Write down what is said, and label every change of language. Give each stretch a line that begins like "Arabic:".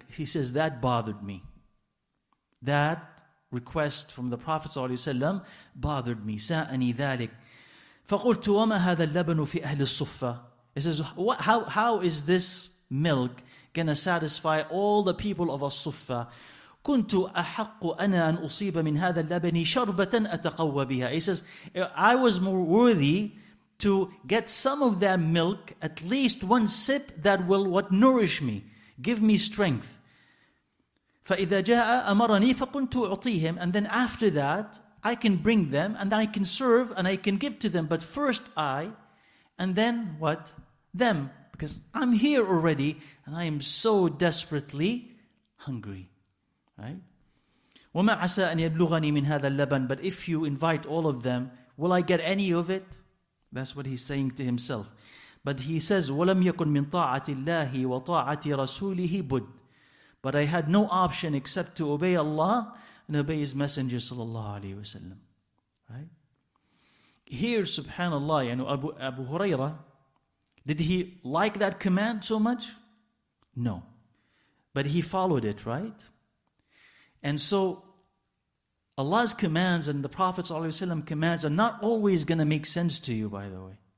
English: He says, that bothered me. That request from the Prophet ﷺ bothered me.
Arabic: سَاءَنِي ذَلِكَ. فَقُلْتُ وَمَا هَذَا اللَّبَنُ فِي أَهْلِ الصُّفَّةِ.
English: He says, how is this milk gonna satisfy all the people of As-Suffa?
Arabic: كنت أحق أنا أن أصيب من هذا اللبن شربة أتقوى بها.
English: He says, I was more worthy to get some of that milk, at least one sip that will what nourish me, give me strength.
Arabic: فإذا جاء أمرني فكنت أعطيهم.
English: And then after that, I can bring them and then I can serve and I can give to them. But first I, and then what? Them. Because I'm here already and I am so desperately hungry.
Arabic: وَمَا عَسَىٰ أَنْ يَبْلُغَنِي مِنْ هَذَا اللَّبَنِ.
English: But if you invite all of them, will I get any of it? That's what he's saying to himself. But he says,
Arabic: وَلَمْ يَكُنْ مِنْ طَاعَةِ اللَّهِ وَطَاعَةِ رَسُولِهِ بُدْ.
English: But I had no option except to obey Allah and obey His Messenger sallallahu alayhi wa sallam. Right? Here, subhanAllah, you know, Abu Huraira, did he like that command so much? No. But he followed it, right? And so, Allah's commands and the Prophet ﷺ commands are not always going to make sense to you, by the way.